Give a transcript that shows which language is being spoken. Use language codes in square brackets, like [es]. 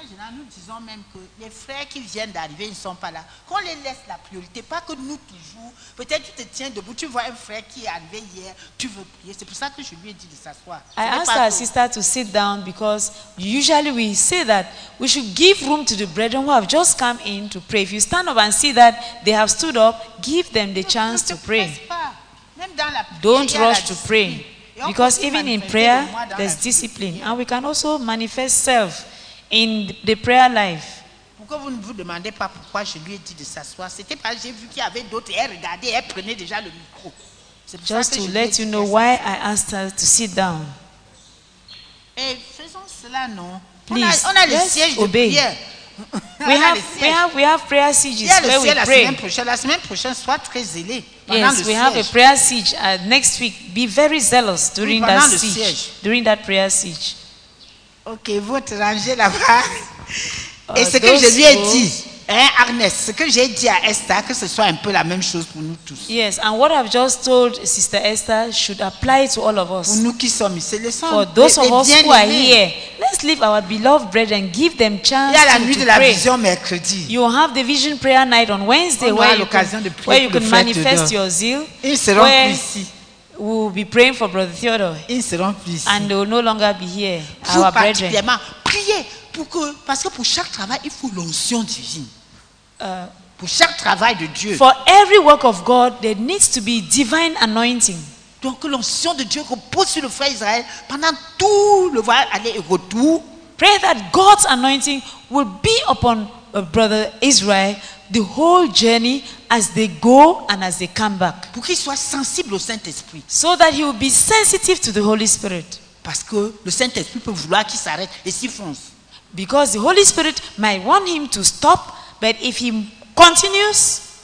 [fr] Nous disons même que les frères qui viennent d'arriver ne sont pas là. Qu'on les laisse la priorité, pas que nous toujours. Peut-être tu te tiens debout, tu vois un frère qui est arrivé hier, tu veux prier. C'est pour ça que je lui ai dit de s'asseoir. [en] I asked our sister to sit down because usually we say that we should give room to the brethren who have just come in to pray. If you stand up and see that they have stood up, give them the chance to pray. Don't rush to pray because even in prayer there's discipline and we can also manifest self in the prayer life. [fr] Pourquoi vous ne vous demandez pas pourquoi je lui ai dit de s'asseoir? C'était pas, j'ai vu qu'il y avait d'autres, elle regardait, elle prenait déjà le micro. [en] Just to let you know why I asked her to sit down. [fr] Et faisons cela, non? Please, on a les sièges de prière. [en] We have prayer sieges where we pray. [fr] La semaine prochaine, sois très zélé. [en] Yes, we have a prayer siege next week. Be very zealous during that siege. During that prayer siege. [fr] Ok, votre rangée là-bas. Et ce que je lui ai dit, hein, Agnès, ce que j'ai dit à Esther, que ce soit un peu la même chose pour nous tous. [en] Yes, and what I've just told Sister Esther should apply to all of us. [fr] Pour nous qui sommes ici, [en] let's leave our beloved brethren, give them chance. [fr] Il y a la nuit de la [en] pray. [fr] Vision mercredi. [en] You have the vision prayer night on Wednesday where you can manifest your zeal. [fr] Ils seront ici. [en] We will be praying for Brother Theodore. [fr] Ils [en] and they will no longer be here. [fr] Vous [en] our brethren. [fr] Priez pour que, parce que pour chaque travail, il faut l'onction divine. Pour chaque travail de Dieu. [en] For every work of God, there needs to be divine anointing. [fr] Donc l'onction de Dieu repose sur le frère Israël pendant tout le voyage aller et retour. [en] Pray that God's anointing will be upon Brother Israel the whole journey as they go and as they come back. [fr] Pour qu'il soit sensible au Saint-Esprit. [en] So that he will be sensitive to the Holy Spirit. [fr] Parce que le Saint-Esprit peut vouloir qu'il s'arrête et s'il fonce. [en] Because the Holy Spirit might want him to stop, but if he continues,